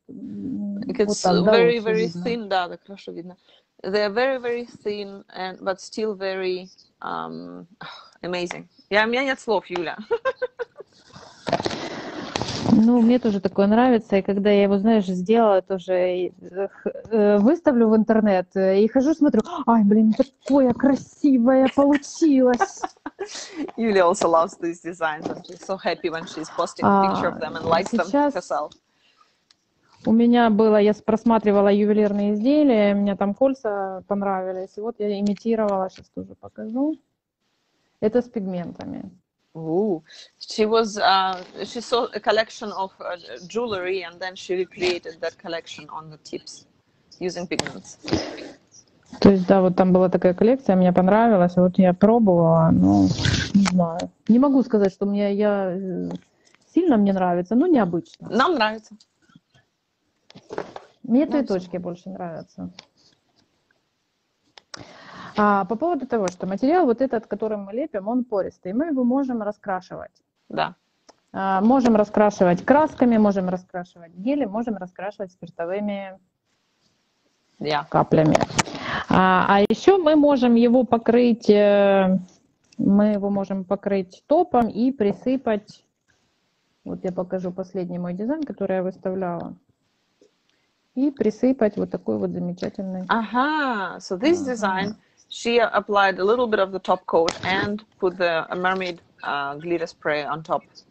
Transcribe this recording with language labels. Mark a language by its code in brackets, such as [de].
[en] It's [ru] вот так, [en] very, [ru] да, [en] very thin, [ru] видно. Да, так хорошо видно. [en] They are very, very thin, and but still very amazing. [ru] Я, у меня нет слов, Юля. Ну, мне тоже такое нравится, и когда я его, знаешь, сделала, тоже выставлю в интернет и хожу, смотрю, ай, блин, такое красивое получилось. [en] Юля also loves these designs, and she's so happy when she's posting a picture of them and likes them herself. [ru] У меня было, я просматривала ювелирные изделия, мне там кольца понравились, и вот я имитировала, сейчас тоже покажу. Это с пигментами. [en] Ooh, she was she saw a collection of jewelry and then she recreated that collection on the tips using pigments. [ru] То есть да, вот там была такая коллекция, мне понравилась, вот я пробовала, но не знаю, не могу сказать, что мне я сильно мне нравится, но необычно. Нам нравится. Мне твои точки больше нравятся. А по поводу того, что материал вот этот, который мы лепим, он пористый, мы его можем раскрашивать. Да. Можем раскрашивать красками, можем раскрашивать гелем, можем раскрашивать спиртовыми каплями. А еще мы можем его покрыть, топом и присыпать. Вот я покажу последний мой дизайн, который я выставляла. И присыпать вот такой вот замечательный. [en] Ага, so this design. She applied a little bit of the top coat and put the mermaid glitter spray on top.